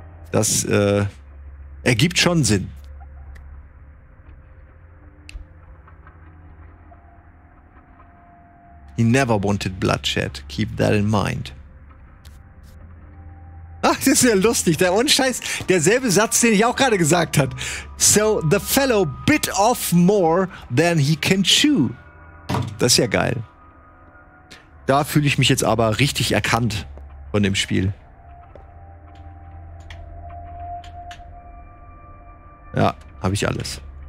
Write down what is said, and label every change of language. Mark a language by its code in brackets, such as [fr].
[de] Das ergibt schon Sinn. [en] He never wanted bloodshed. Keep that in mind. [de] Ach, das ist ja lustig. Der Unscheiß, derselbe Satz, den ich auch gerade gesagt habe. [en] So the fellow bit off more than he can chew. [de] Das ist ja geil. Da fühle ich mich jetzt aber richtig erkannt von dem Spiel. Ja, habe ich alles.